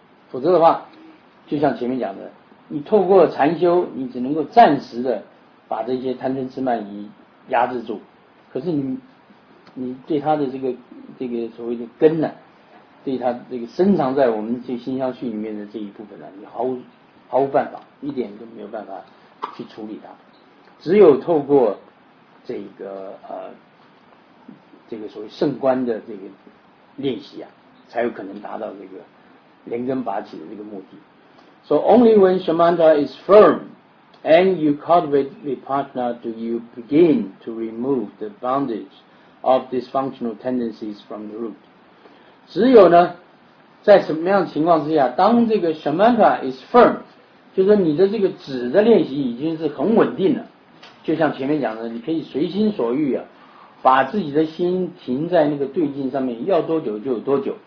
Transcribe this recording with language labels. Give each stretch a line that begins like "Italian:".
Chinese: 否则的话，就像前面讲的，你透过禅修，你只能够暂时的把这些贪嗔痴慢疑压制住，可是你对他的这个所谓的根呢、啊，对他这个深藏在我们这心相续里面的这一部分呢、啊，你毫无办法，一点都没有办法去处理它。只有透过这个所谓圣观的这个练习啊，才有可能达到这个连根拔起的这个目的。
English: So only when shamatha is firm and you cultivate vipassana do you begin to remove the bondage of dysfunctional tendencies from the root.
Chinese: 只有呢，在什么样的情况之下，当这个
English: shamatha is firm，
Chinese: 就是你的这个止的练习已经是很稳定了，就像前面讲的，你可以随心所欲啊，把自己的心停在那个对境上面，要多久就有多久。